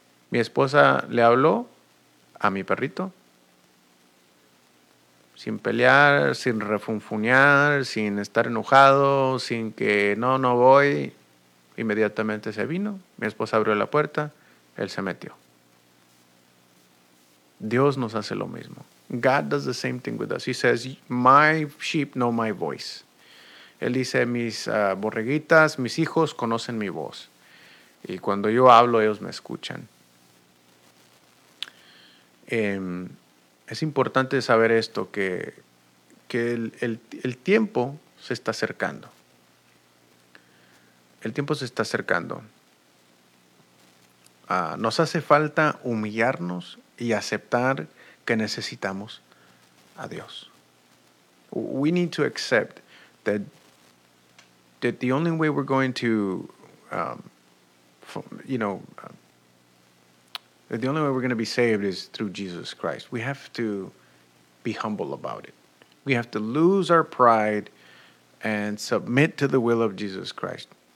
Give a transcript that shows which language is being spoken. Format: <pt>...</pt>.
<es>Mi esposa le habló a mi perrito, sin pelear, sin refunfuñar, sin estar enojado, sin que no voy. Inmediatamente se vino, mi esposa abrió la puerta, él se metió. Dios nos hace lo mismo.</es> <en>God does the same thing with us. He says, my sheep know my voice.</en> <es>Él dice, mis borreguitas, mis hijos conocen mi voz. Y cuando yo hablo, ellos me escuchan. Es importante saber esto, que el tiempo se está acercando. El tiempo se está acercando. Nos hace falta humillarnos y aceptar que necesitamos a Dios.</es> <en>We need to accept that the only way we're going to, the only way we're going to be saved is through Jesus Christ. We have to be humble about it. We have to lose our pride and submit to the will of Jesus Christ.</en>